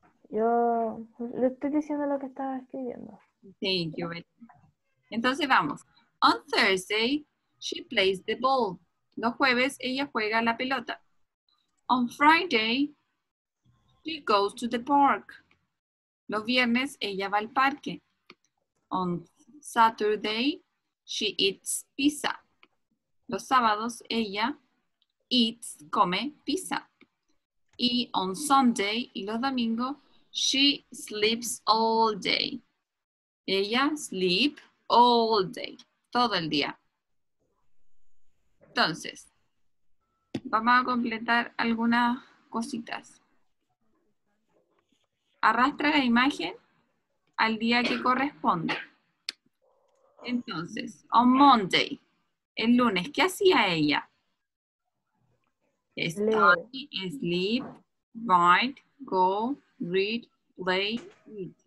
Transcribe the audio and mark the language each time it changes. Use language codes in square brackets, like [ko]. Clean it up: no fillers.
[es] Yo le estoy diciendo lo que estaba escribiendo. [en] Thank you. [es] Entonces vamos. [en] On Thursday, she plays the ball. [es] Los jueves, ella juega la pelota. [en] On Friday, she goes to the park. [es] Los viernes, ella va al parque. [en] On Saturday, she eats pizza. [es] Los sábados, ella come pizza. [en] Y on Sunday, [es] y los domingos, [en] she sleeps all day. [es] Ella [en] sleep all day, [es] todo el día. Entonces, vamos a completar algunas cositas. Arrastra la imagen al día que corresponde. Entonces, [en] on Monday, [es] el lunes, ¿qué hacía ella? [en] Study, sleep, write, go, read, play, eat.